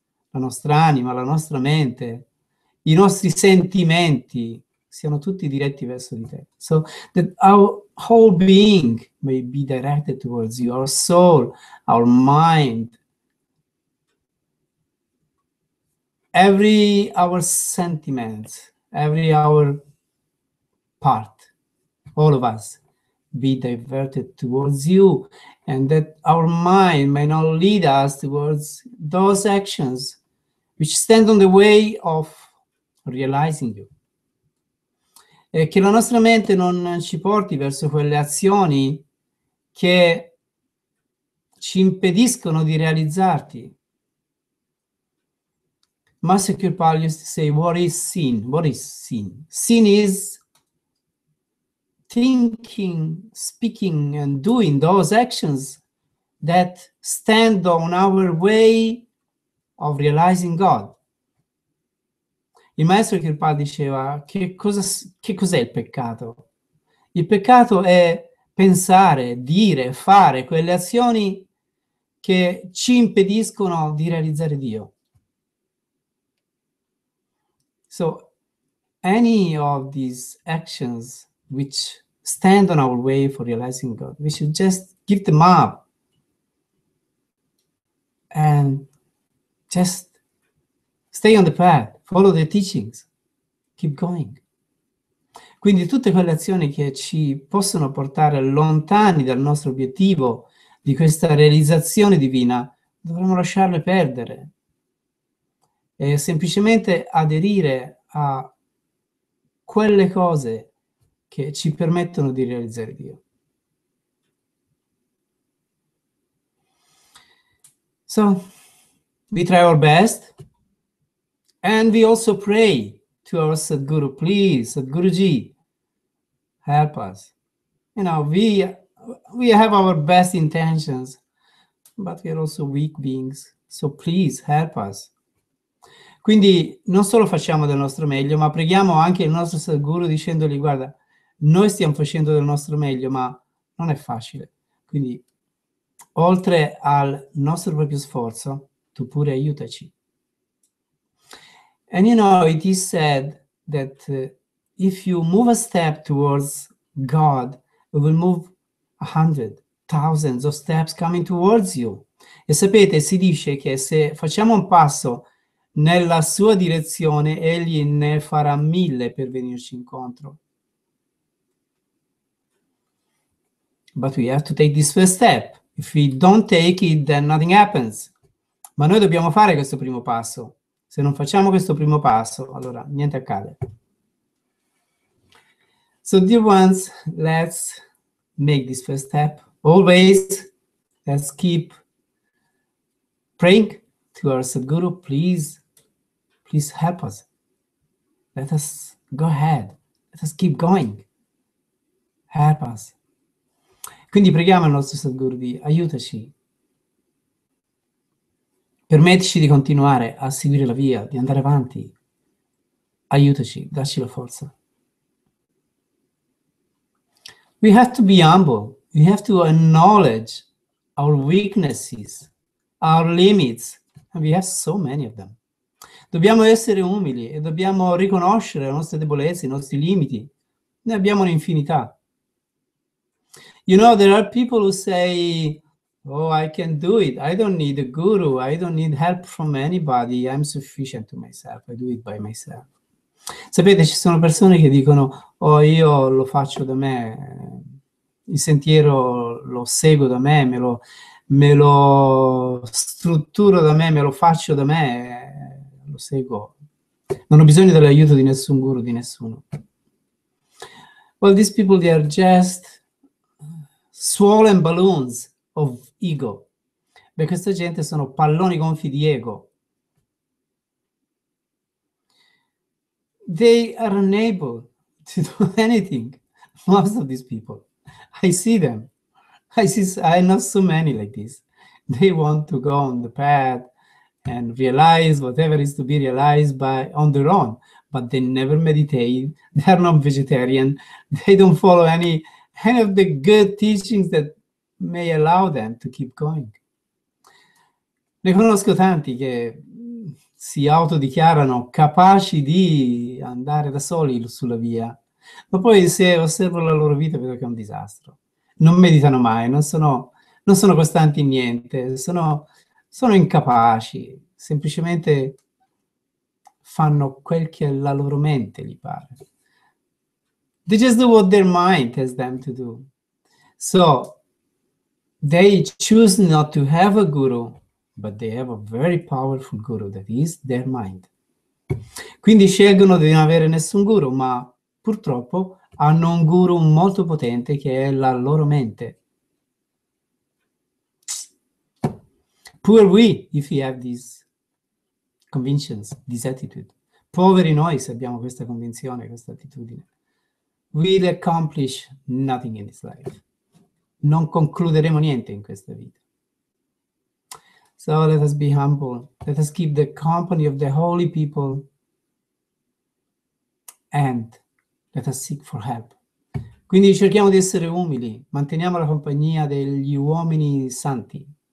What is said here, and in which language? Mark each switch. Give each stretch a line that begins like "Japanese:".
Italian: la nostra anima, la nostra mente, i nostri sentimenti siano tutti diretti verso di te.
English: So that our whole being may be directed towards you, our soul, our mind. Every our sentiments, every our part, all of us, be diverted towards you, and that our mind may not lead us towards those actions which stand on the way of realizing you.
Italian: E che la nostra mente non ci porti verso quelle azioni che ci impediscono di realizzarti.
English: Master Kirpal used to say, what is sin? What is sin? Sin is thinking, speaking, and doing those actions that stand on our way of realizing God.
Italian: Il maestro Kirpal diceva, che cos'è il peccato? Il peccato è pensare, dire, fare quelle azioni che ci impediscono di realizzare Dio.
English: So, any of these actions which stand on our way for realizing God, we should just give them up and just stay on the path, follow the teachings, keep going.
Italian: Quindi tutte quelle azioni che ci possono portare lontani dal nostro obiettivo di questa realizzazione divina, dovremmo lasciarle perdere e semplicemente aderire a quelle cose che ci permettono di realizzare Dio.
English: So, we try our best, and we also pray to our Sadguru, please, Sadguruji, help us. You know, we have our best intentions, but we are also weak beings, so please help us.
Italian: Quindi non solo facciamo del nostro meglio, ma preghiamo anche il nostro Sadguru dicendogli, guarda, noi stiamo facendo del nostro meglio, ma non è facile. Quindi, oltre al nostro proprio sforzo, tu pure aiutaci.
English: And you know, it is said that if you move a step towards God, we will move a hundred, thousands of steps coming towards you.
Italian: E sapete, si dice che se facciamo un passo nella sua direzione, egli ne farà mille per venirci incontro.
English: But we have to take this first step. If we don't take it, then nothing happens.
Italian: Ma noi dobbiamo fare questo primo passo. Se non facciamo questo primo passo, allora niente accade.
English: So, dear ones, let's make this first step. Always, let's keep praying to our Sadguru. Please help us. Let us go ahead. Let us keep going. Help us.
Italian: Quindi preghiamo il nostro Sadguru di aiutaci. Permettici di continuare a seguire la via, di andare avanti. Aiutaci, dacci la forza.
English: We have to be humble. We have to acknowledge our weaknesses, our limits. And we have so many of them.
Italian: Dobbiamo essere umili e dobbiamo riconoscere le nostre debolezze, i nostri limiti. Ne abbiamo un'infinità.
English: You know, there are people who say, oh, I can do it. I don't need a guru. I don't need help from anybody. I'm sufficient to myself. I do it by myself.
Italian: Sapete, ci sono persone che dicono, oh, io lo faccio da me. Il sentiero lo seguo da me, me lo strutturo da me, me lo faccio da me. Lo seguo. Non ho bisogno dell'aiuto di nessun guru, di nessuno.
English: Well, these people, they are just swollen balloons of ego.
Italian: Beh, questa gente sono palloni gonfi di ego.
English: They are unable to do anything, most of these people. I see them. I know so many like this. They want to go on the path and realize whatever is to be realized by on their own, but they never meditate. They are not vegetarian. They don't follow any of the good teachings that may allow them to keep going.
Italian: Ne conosco tanti che si autodichiarano capaci di andare da soli sulla via, ma poi se osservo la loro vita vedo che è un disastro. Non meditano mai, non sono costanti in niente, sono incapaci, semplicemente fanno quel che la loro mente gli pare.
English: They just do what their mind tells them to do. So they choose not to have a guru, but they have a very powerful guru that is their mind.
Italian: Quindi scelgono di non avere nessun guru, ma purtroppo hanno un guru molto potente che è la loro mente.
English: Poor we if we have these convictions, this attitude.
Italian: Poveri noi se abbiamo questa convinzione, questa attitudine.
English: We'll accomplish nothing in this life.
Italian: Non concluderemo niente in questa vita.
English: So let us be humble. Let us keep the company of the holy people and let us seek for help.
Italian: Quindi cerchiamo di essere umili, manteniamo la compagnia degli uomini santi.